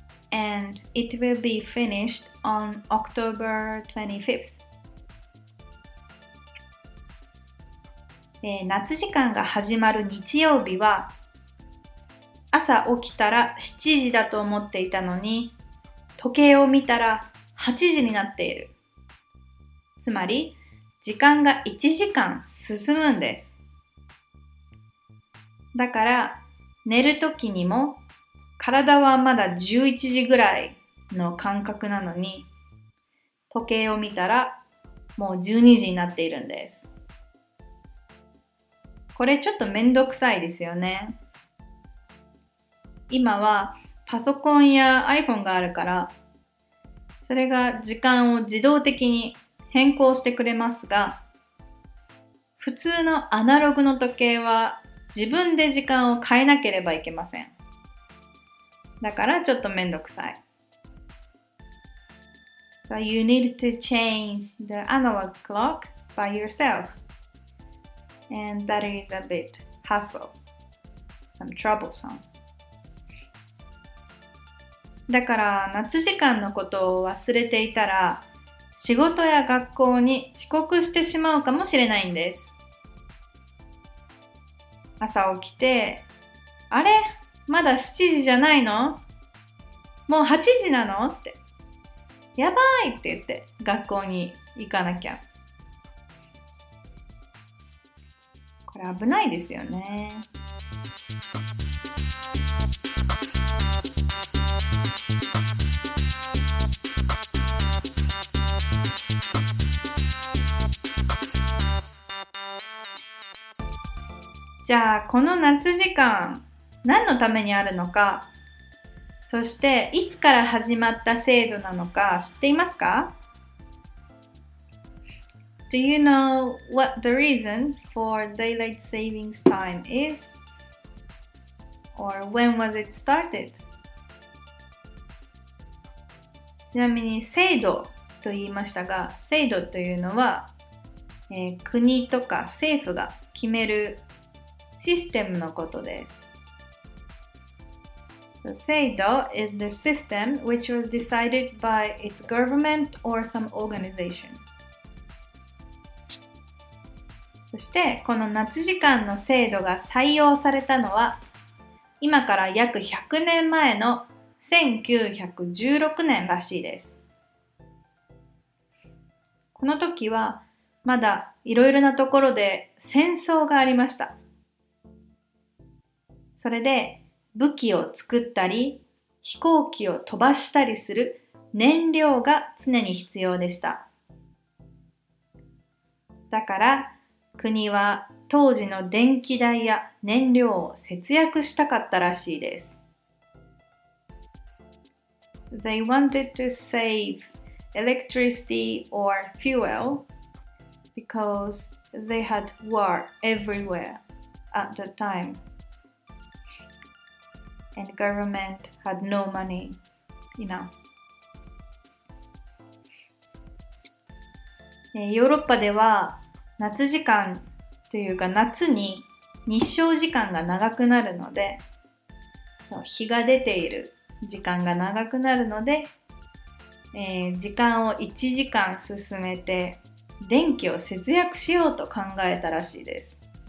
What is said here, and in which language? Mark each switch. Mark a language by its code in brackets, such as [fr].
[en] And it will be finished on October 25th. [ja] 夏時間が始まる日曜日は朝起きたら7時だと思っていたのに時計を見たら8時になっている。つまり時間が1時間進むんです。だから寝る時にも体はまだ11時ぐらいの感覚なのに時計を見たらもう12時になっているんです。これちょっとめんどくさいですよね。今はパソコンや iPhone があるから、それが時間を自動的に変更してくれますが、普通のアナログの時計は自分で時間を変えなければいけません。だからちょっとめんどくさい。 [en] So you need to change the analog clock by yourself. And that is a bit hassle, some troublesome. [ja] だから夏時間のことを忘れていたら仕事や学校に遅刻してしまうかもしれないんです。朝起きて、あれ？まだ7時じゃないの？もう8時なの？ってやばいって言って学校に行かなきゃ。危ないですよね。じゃあこの夏時間何のためにあるのか、そしていつから始まった制度なのか知っていますか？ [en] Do you know what the reason for daylight savings time is? Or when was it started? [ja] ちなみに制度と言いましたが、制度というのは、国とか政府が決めるシステムのことです。 [en] So, 制度 is the system which was decided by its government or some organization. [ja] そしてこの夏時間の制度が採用されたのは今から約100年前の1916年らしいです。この時はまだいろいろなところで戦争がありました。それで武器を作ったり飛行機を飛ばしたりする燃料が常に必要でした。だから国は当時の電気代や燃料を節約したかったらしいです。 [en] They wanted to save electricity or fuel because they had war everywhere at the time. And government had no money. you know. [ja] ヨーロッパでは夏時間というか夏に日照時間が長くなるので、日が出ている時間が長くなるので、時間を1時間進めて電気を節約しようと考えたらしいです。